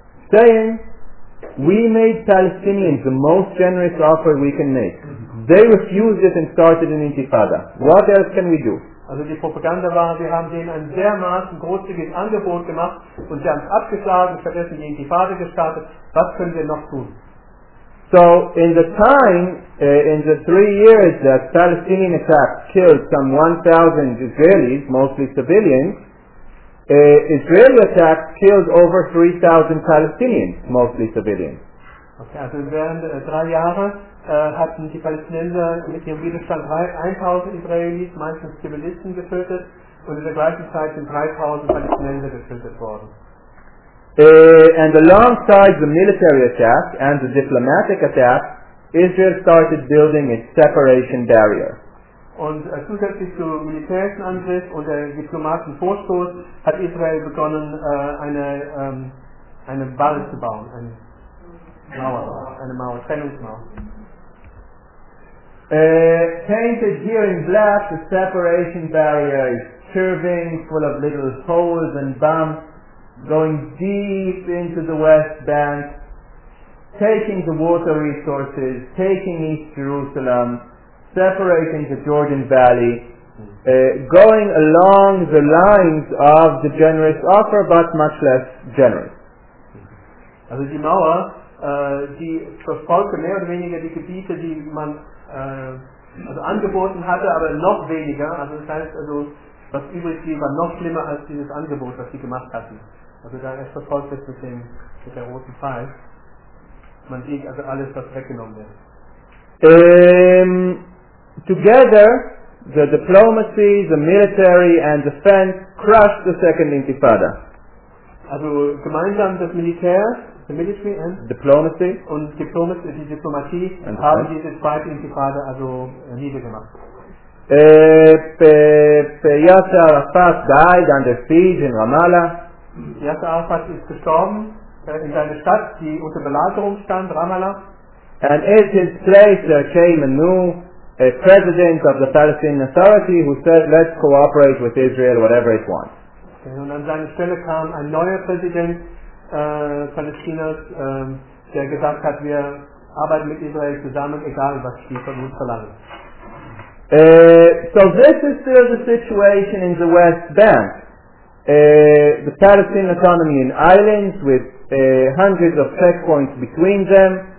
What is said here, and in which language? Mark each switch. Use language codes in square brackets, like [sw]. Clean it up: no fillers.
[en] Saying, we made Palestinians the most generous offer we can make. They refused it and started an intifada. What else can we do? [de] Also die Propaganda war, wir haben denen ein dermaßen großzügiges Angebot gemacht und sie haben es abgeschlagen, stattdessen die Intifada gestartet. Was können wir noch tun? [en] So in the time, in the 3 years that Palestinian attacks killed some 1,000 Israelis, mostly civilians, Israeli attacks killed over 3,000 Palestinians, mostly civilians. [de] Okay, also während 3 Jahre hatten die Palästinenser mit ihrem Widerstand 1,000 Israelis, meistens Zivilisten, getötet und in der gleichen Zeit sind 3,000 Palästinenser getötet worden. [en] And alongside the military attack and the diplomatic attack, Israel started building its separation barrier. [de] Und zusätzlich zum militärischen Angriff und der Diplomatenvorstoß hat Israel begonnen, eine Wall zu bauen, eine Mauer, Trennungsmauer. [en] Painted here in black, the separation barrier is curving, full of little holes and bumps, going deep into the West Bank, taking the water resources, taking East Jerusalem, separating the Jordan Valley, going along the lines of the generous offer, but much less generous. [de] Also die Mauer, die verfolgte mehr oder weniger die Gebiete, die man also angeboten hatte, aber noch weniger. Also das heißt, also was übrig blieb, war noch schlimmer als dieses Angebot, was sie gemacht hatten. Also da es verfolgt wird mit der roten Pfeil. Man sieht also alles, was weggenommen wird. [en] Together, the diplomacy, the military and defense crushed the second intifada. [de] also gemeinsam das Militär, [en] the military and diplomacy, [de] und Diplomacy, die Diplomatie, and haben diese zweite Intifada also niedergemacht. [en] Yasser Arafat died under siege in Ramallah. [de] Yasser Arafat ist gestorben in seiner Stadt, die unter Belagerung stand, Ramallah. [en] And in his place there came a new president of the Palestinian Authority who said, let's cooperate with Israel, whatever it wants. [de] Okay, und an seine Stelle kam ein neuer Präsident Palästinas, der gesagt hat, wir arbeiten mit Israel zusammen, egal was die von uns verlangen. [en] So this is still the situation in the West Bank. The Palestinian autonomy in islands with hundreds of checkpoints between them.